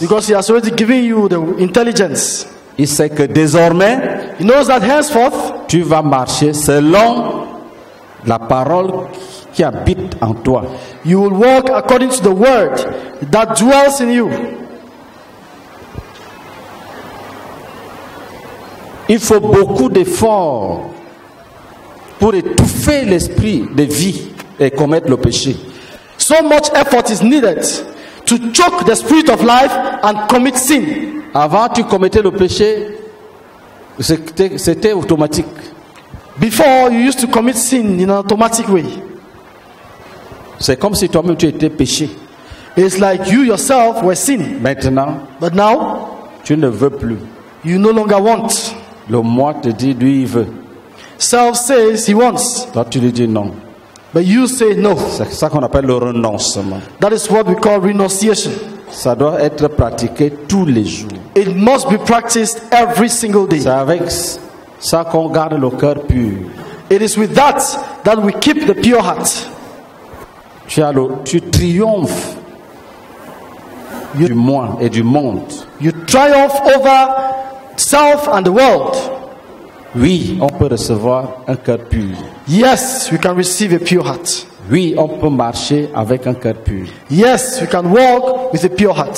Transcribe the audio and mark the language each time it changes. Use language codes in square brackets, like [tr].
[en] Because he has already given you the intelligence. [fr] Il sait que désormais, [en] he knows that henceforth, [fr] tu vas marcher selon la parole qui habite en toi. [en] You will walk according to the word that dwells in you. [fr] Il faut beaucoup d'efforts pour étouffer l'esprit de vie et commettre le péché. [en] So much effort is needed to choke the spirit of life and commit sin. [fr] Avant, tu commettais le péché, c'était automatique. [en] Before, you used to commit sin in an automatic way. [fr] C'est comme si toi-même tu étais péché. [en] It's like you yourself were sin. [fr] Maintenant, [en] but now, [fr] tu ne veux plus. [en] You no longer want. [fr] Le moi te dit lui il veut. [en] Self says he wants. [fr] Toi tu lui dis non. [en] But you say no. [fr] C'est ça qu'on appelle le renoncement. [en] That is what we call renunciation. [fr] Ça doit être pratiqué tous les jours. [en] It must be practiced every single day. [fr] C'est avec ça qu'on garde le cœur pur. [en] It is with that we keep the pure heart. [fr] Tu triomphes du moi et du monde. [en] You triumph over self and the world. [fr] Oui, on peut recevoir un cœur pur. [en] Yes, we can receive a pure heart. [fr] Oui, on peut marcher avec un cœur pur. [en] Yes, we can walk with a pure heart.